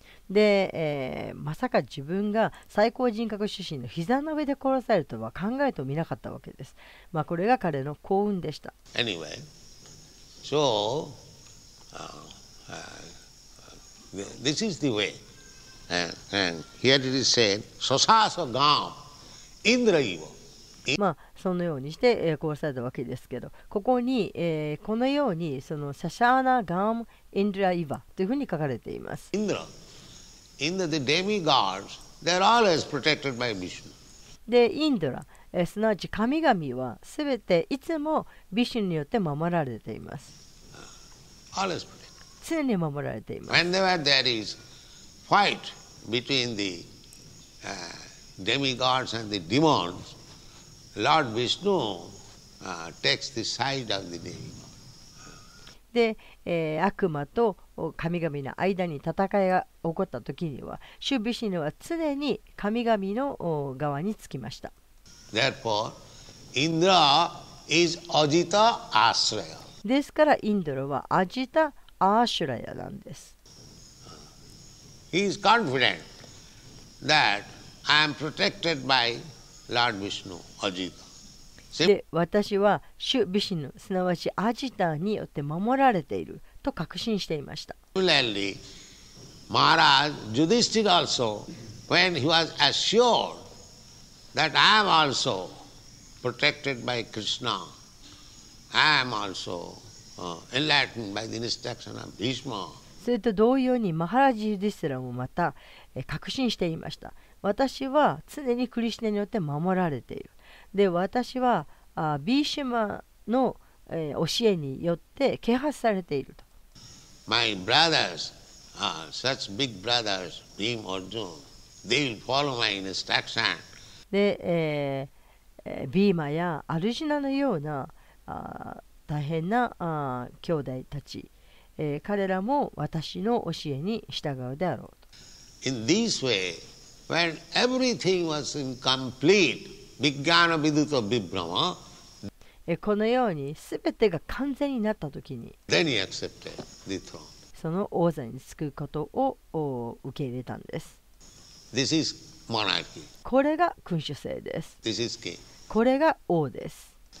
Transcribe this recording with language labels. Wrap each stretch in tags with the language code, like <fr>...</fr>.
<ja>で、まさか自分が最高人格主神の膝の上で殺されるとは考えてもみなかったわけです。まあ、これが彼の幸運でした。</ja> <en>Anyway, so, this is the way. And here it is said, Sosaso Gam, Indra Evo.</en> <ja>まあ、そのようにして殺されたわけですけど、ここに、このようにそのシャシャーナガムインドライバというふうに書かれています。</ja> <en>インドラ、インドラ、the demigods, they are always protected by Vishnu.</en> <ja>で、インドラ、すなわち神々はすべていつもビシュヌによって守られています。</ja> <en>Always protected.</en> <ja>常に守られています。</ja> <en>Whenever there is fight between the demigods and the demonsLord Vishnu takes the side of the demigod.</en> <ja>で、悪魔と神々の間に戦いが起こった時には、シュ・ビシヌは常に神々の側につきました。</ja> <en>Therefore, Indra is Ajita Ashraya.</en> <ja>ですから、インドラはアジタ・アーシュラヤなんです。</ja> <en>He is confident that I am protected byLord Vishnu, Ajita.</en> <ja>で、私はシュ・ビシヌ、すなわちアジタによって守られていると確信していました。</ja> <en>Similarly, Maharaj Yudhishthira also, when he was assured that I am also protected by Krishna, I am also enlightened by the instruction of Bhishma.</en> <ja>それと同様に、マハラジ・ユディスラもまた確信していました。私は常にクリシナによって守られている。で、私はビーシュマの教えによって啓発されていると。</ja> <en>My brothers, such big brothers, Bhim Arjuna, they will follow my instruction.</en> <ja>で、ビーマやアルジナのような大変な兄弟たち、彼らも私の教えに従うであろうと。</ja> <en>In this way,When everything was incomplete, Vijnana Viduta Vibhrama,</en> <ja>このようにすべてが完全になったときに、</ja> <en>then he accepted the throne.</en> <ja>その王座に就くことを受け入れたんです。</ja> <en>This is monarchy.</en> <ja>これが君主制です。</ja> <en>This is king.</en> <ja>これが王です。</ja>